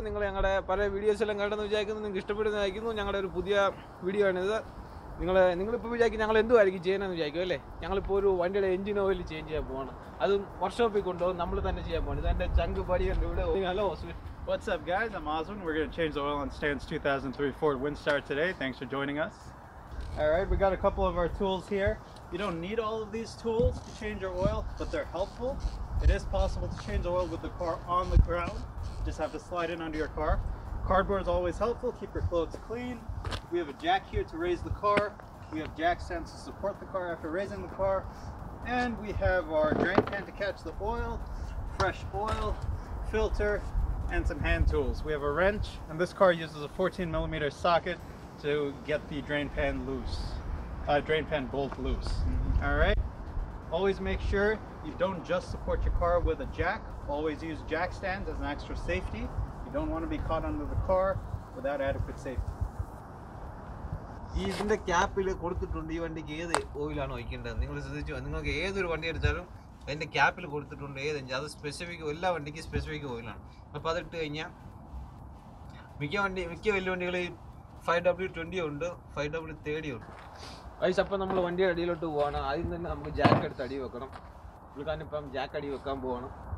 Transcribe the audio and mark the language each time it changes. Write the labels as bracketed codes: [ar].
[ml] നിങ്ങളെ ഞങ്ങളുടെ പല വീഡിയോസിലും കണ്ടെന്ന് വിചാരിക്കുന്നു നിങ്ങൾ ഇഷ്ടപ്പെടുന്നതായിരിക്കുന്നു ഞങ്ങളുടെ ഒരു പുതിയ വീഡിയോ ആണിത് നിങ്ങളെ നിങ്ങൾ ഇപ്പോൾ വിചാരിക്കും ഞങ്ങൾ എന്തുമായിരിക്കും ചെയ്യണമെന്ന് വിചാരിക്കും അല്ലേ ഞങ്ങളിപ്പോൾ ഒരു വണ്ടിയുടെ എഞ്ചിൻ ഓയിൽ ചേഞ്ച് ചെയ്യാൻ പോവാണ് അതും വർക്ക്ഷോപ്പിൽ കൊണ്ടുപോകും നമ്മൾ തന്നെ ചെയ്യാൻ പോകുന്നത് ഇതെൻ്റെ ചങ്ക് പടിയുണ്ട് ഇവിടെ [en] Hello What's up, guys? I'm Oswin. We're going to change the oil on Stan's 2003 Ford Windstar today. Thanks for joining us. All right, we got a couple of our tools here. You don't need all of these tools to change your oil, but they're helpful. It is possible to change oil with the car on the ground. You just have to slide in under your car. Cardboard is always helpful. Keep your clothes clean. We have a jack here to raise the car. We have jack stands to support the car after raising the car. And we have our drain pan to catch the oil, fresh oil, filter, and some hand tools. We have a wrench, and this car uses a 14 millimeter socket to get the drain pan bolt loose. Mm-hmm. All right, always make sure you don't just support your car with a jack. Always use jack stands as an extra safety. You don't want to be caught under the car without adequate safety. [ml] ഇതിന്റെ ക്യാപ്പില് കൊടുത്തിട്ടുണ്ട് ഈ വണ്ടിക്ക് ഏത് ഓയിലാണ് ഒഴിക്കേണ്ടത് നിങ്ങൾ ശ്രദ്ധിച്ചു നിങ്ങൾക്ക് ഏതൊരു വണ്ടി എടുത്താലും അതിൻ്റെ ക്യാപ്പിൽ കൊടുത്തിട്ടുണ്ട് ഏത് എഞ്ചിൻ അത് സ്പെസിഫിക് എല്ലാ വണ്ടിക്കും സ്പെസിഫിക് ഓയിലാണ് അപ്പോൾ അതിട്ട് കഴിഞ്ഞാൽ മിക്ക വലിയ വണ്ടികളിൽ 5W20 ഉണ്ട് 5W30 ഉണ്ട് വൈസ് അപ്പം നമ്മൾ വണ്ടിയുടെ അടിയിലോട്ട് പോവാണ് ആദ്യം തന്നെ നമുക്ക് ജാക്ക് എടുത്ത് അടി വെക്കണം നമുക്കാനിപ്പം ജാക്ക് അടി വെക്കാൻ പോകണം